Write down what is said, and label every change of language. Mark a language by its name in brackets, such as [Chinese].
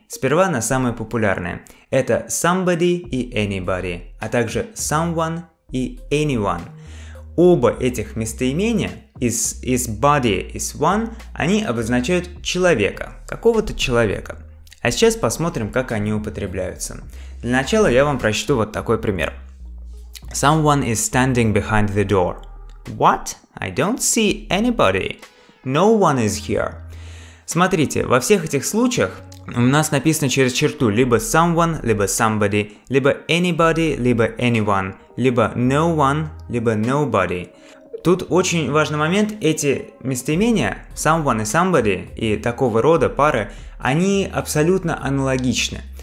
[Russian] Сперва на самые популярные. Это somebody и anybody, а также someone и anyone. Оба этих местоимения, из body и one, они обозначают человека, какого-то человека. А сейчас посмотрим, как они употребляются. Для начала я вам прочту вот такой пример. [English] Someone is standing behind the door. What? I don't see anybody. No one is here. [Russian] Смотрите, во всех этих случаях у нас написано через черту либо someone, либо somebody, либо anybody, либо anyone, либо no one, либо nobody. Тут очень важный момент, эти местоимения, someone и somebody, и такого рода пары, они абсолютно аналогичны.